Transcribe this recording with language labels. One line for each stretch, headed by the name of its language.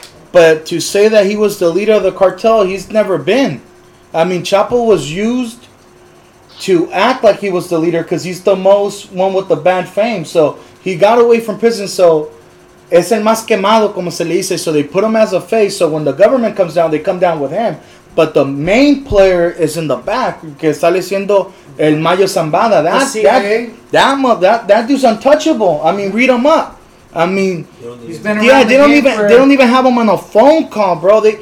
English: But to say that he was the leader of the cartel, he's never been. I mean, Chapo was used to act like he was the leader because he's the most one with the bad fame. So he got away from prison.
Spanish: So es el más quemado, como se le dice.
English: So they put him as a face. So when the government comes down, they come down with him. But the main player is in the back,
Spanish: que sale siendo el Mayo Zambada.
English: That dude's untouchable. I mean, read him up. I mean, they don't even have him on a phone call, bro.